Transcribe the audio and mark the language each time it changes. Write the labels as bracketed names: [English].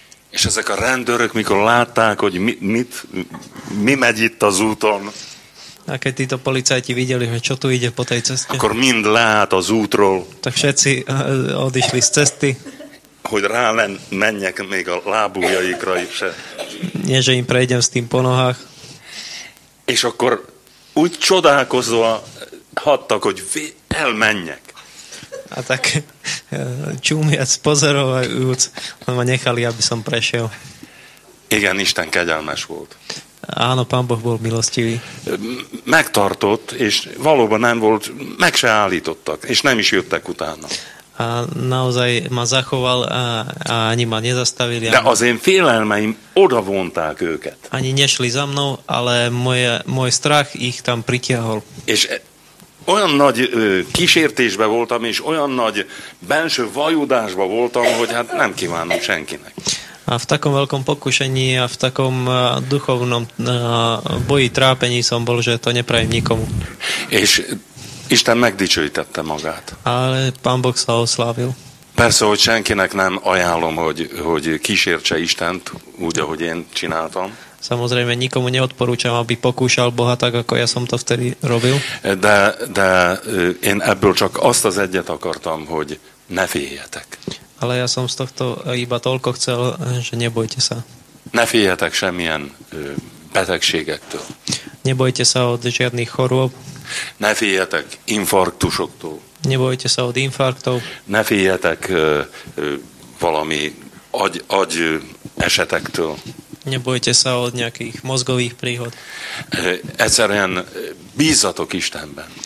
[Hungarian] És ezek a rendőrök, mikor látták, hogy mi megy itt az úton. [Slovak] A keď títo policajti videli, hogy čo tu ide po tej ceste. [Hungarian] Akkor mind lát az útról. [Slovak] Tak všetci odišli z cesty. [Hungarian] Hogy rá menjek még a lábújaikra is. [Slovak] Nie, že im prejdem s tým po nohách. [Hungarian] És akkor úgy csodálkozva hattak, hogy elmenjek. [Slovak] A tak čúmiac, pozorovajúc, ma nechali, aby som prešiel. [Hungarian] Igen, Isten kegyelmes volt. [Slovak] Áno, Pán Boh bol milostivý. [Hungarian] Megtartott, és valóban nem volt, meg se állítottak, és nem is jöttek utána. [Slovak] A naozaj ma zachoval a ani ma nezastavili. [Hungarian] De az én félelmeim odavonták őket. [Slovak] Ani nešli za mnou, ale môj strach ich tam pritiahol. [Hungarian] És olyan nagy kísértésben voltam, és olyan nagy benső vajudásban voltam, hogy hát nem kívánom senkinek. [Slovak] A v takom veľkom pokušení a v takom duchovnom boji trápení som bol, že to neprajem nikomu. [Hungarian] És Isten megdicsőítette magát. [Slovak] Ale Pán Boh sa oslávil. [Hungarian] Persze, hogy senkinek nem ajánlom, hogy kísértse Istent úgy, ahogy én csináltam. [Slovak] Samozrejme, nikomu neodporúčam, aby pokúšal Boha tak, ako ja som to vtedy robil. [Hungarian] De én ebből csak azt az egyet akartam, hogy ne féljetek. [Slovak] Ale ja som z tohto iba toľko chcel, že nebojte sa. [Hungarian] Ne féljetek semmilyen betegségektől. [Slovak] Nebojte sa od žiadnych chorôb. [Hungarian] Ne féljetek infarktusoktól. [Slovak] Nebojte sa od infarktov. [Hungarian] Ne féljetek valami agy esetektől. [Slovak] Nebojte sa od nejakých mozgových príhod. [Hungarian] Egyszerűen bízzatok Istenben.